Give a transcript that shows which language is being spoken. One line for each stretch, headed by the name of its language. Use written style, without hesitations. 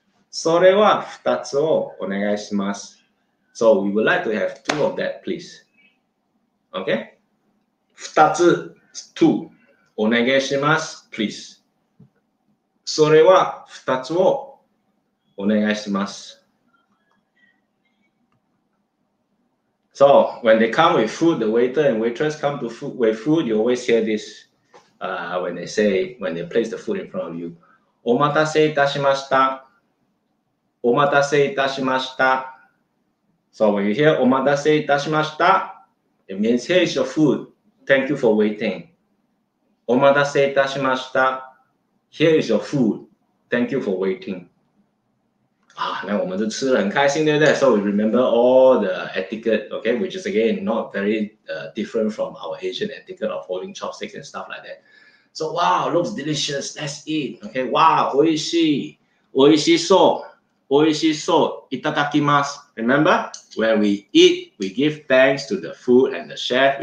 Japanese: それは二つをお願いします。
English: So we would like to have two of that, please. Okay?
Japanese: 二つ、
English: two.
Japanese: お願いします、
English: please.
Japanese: それは二つをお願いします。
English: So when they come with food, the waiter and waitress come to food with food, you always hear this when they place the food in front of you.
Japanese: お待たせいたしました。お待たせいたしました。
English: So when you hear,
Japanese: omadase itashimashita,
English: it means, hey, it's your food. Thank you for waiting.
Japanese: Omadase itashimashita.
English: Here is your food. Thank you for waiting.
Chinese: Ah, 那我们就吃得很开心，对不对？
English: So we remember all the etiquette, okay? Which is, again, not very different from our Asian etiquette of holding chopsticks and stuff like that. So, wow, looks delicious. Let's eat. Okay, wow,
Japanese: oishii. Oishii so. Oishi so itadakimasu.
English: Remember, when we eat, we give thanks to the food and the chef.